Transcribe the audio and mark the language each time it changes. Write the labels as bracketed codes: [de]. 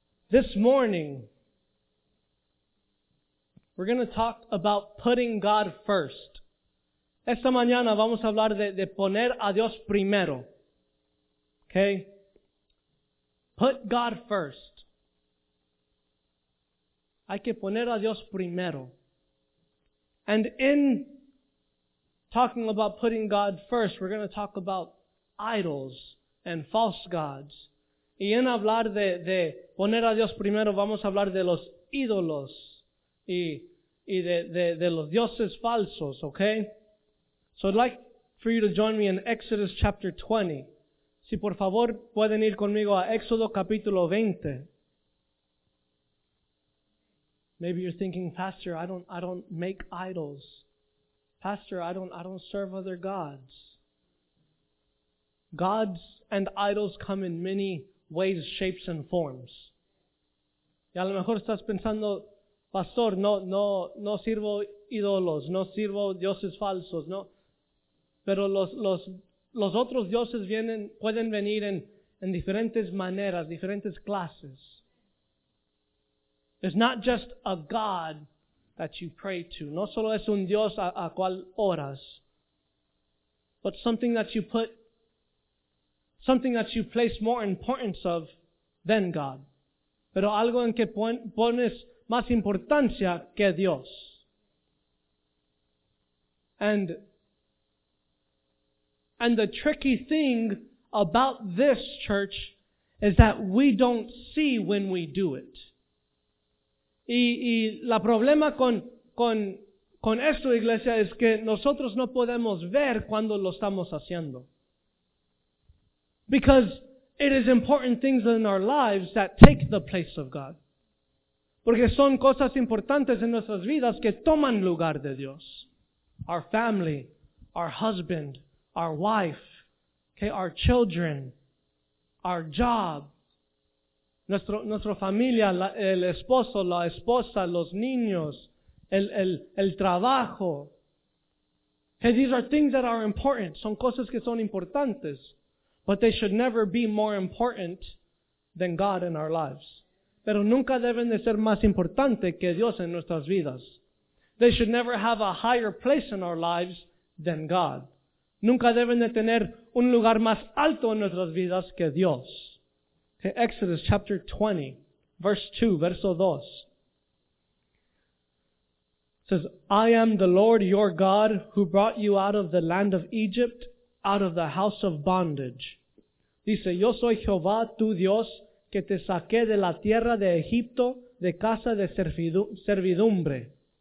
[en] This morning, we're going to talk about putting God first. [es] Esta mañana vamos a hablar de poner a Dios primero. [en] Okay? Put God first. [es] Hay que poner a Dios primero. [en] And in talking about putting God first, we're going to talk about idols and false gods. [es] Y en hablar de poner a Dios primero, vamos a hablar de los ídolos y de los dioses falsos, okay? [en] So I'd like for you to join me in Exodus chapter 20. [es] Si por favor pueden ir conmigo a Éxodo capítulo 20. [en] Maybe you're thinking, Pastor, I don't make idols. Pastor, I don't serve other gods. Gods and idols come in many ways, shapes, and forms. [es] Y a lo mejor estás pensando, Pastor, no sirvo ídolos, no sirvo dioses falsos, no. Pero los otros dioses pueden venir en diferentes maneras, diferentes clases. [en] It's not just a God that you pray to. [es] No solo es un Dios a cual oras, [en] but something that you place more importance of than God. [es] Pero algo en que pones más importancia que Dios. [en] And the tricky thing about this, church, is that we don't see when we do it. [es] Y la problema con esto, iglesia, es que nosotros no podemos ver cuando lo estamos haciendo. [en] Because it is important things in our lives that take the place of God. [es] Porque son cosas importantes en nuestras vidas que toman lugar de Dios. [en] Our family, our husband, our wife, okay, our children, our job, [es] nuestra familia, el esposo, la esposa, los niños, el trabajo. [en] Okay, these are things that are important. [es] Son cosas que son importantes. [en] But they should never be more important than God in our lives. [es] Pero nunca deben de ser más importante que Dios en nuestras vidas. [en] They should never have a higher place in our lives than God. [es] Nunca deben de tener un lugar más alto en nuestras vidas que Dios. [en] Okay, Exodus chapter 20, verso 2. It says, I am the Lord your God who brought you out of the land of Egypt, out of the house of bondage. [es] Dice, yo soy Jehová tu Dios que te saqué de la tierra de Egipto de casa de servidumbre.